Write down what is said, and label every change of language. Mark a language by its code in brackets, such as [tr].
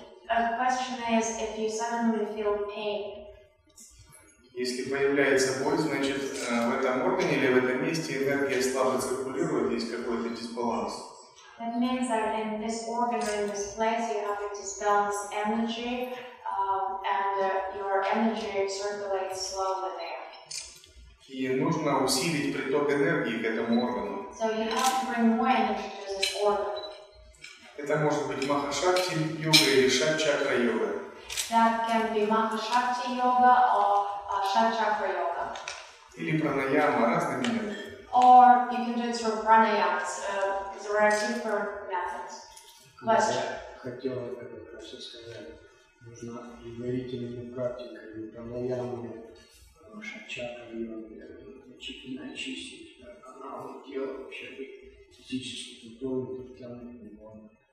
[en] A question is, if you suddenly feel pain. [ru] Если появляется боль, значит, в этом органе или в этом месте энергия слабо циркулирует, есть какой-то дисбаланс. [en] That means that in this organ, in this place, you have a disbalanced energy, and your energy circulates slowly there. [ru] И нужно усилить приток энергии к этому органу. [en] So you have to bring more energy to this organ. [ru] Это может быть Махашакти йога или Шатчакра йога. [en] That can be Махашакти йога or Шатчакра йога. [ru] Или пранаяма, разными методами. [en] Or you can do it through pranayama. There are different methods. Question. [ru] Хотела бы вопрос сказать. Нужна предварительная практика или пранаяма, Шатчакра йога, начинать очистить каналы тела, вообще быть физически готовым к тянуть его.